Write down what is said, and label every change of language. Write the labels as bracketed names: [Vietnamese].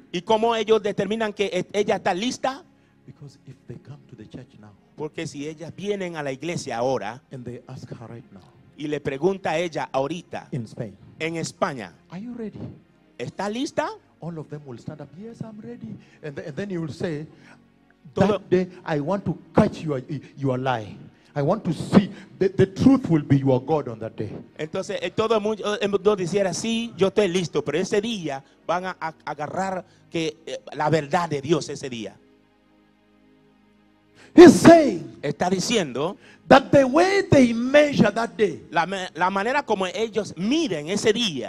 [Spanish] ¿Y cómo ellos determinan que ella está lista? [English] Because if they come to the church now, [Spanish] porque si ellas vienen a la iglesia ahora, [English] and they ask her right now, [Spanish] y le pregunta a ella ahorita, [English] in Spain, [Spanish] en España, [English] are you ready? [Spanish] ¿Está lista? [English] All of them will stand up. Yes, I'm ready. And then you will say, that day I want to catch your lie. I want to see the truth will be your God on that day. [Spanish] Entonces todo mundo dijera sí, yo estoy listo, pero ese día van a agarrar que la verdad de Dios ese día. [English] He's saying, [Spanish] está diciendo, [English] that the way they measure that day, [Spanish] la manera como ellos miden ese día,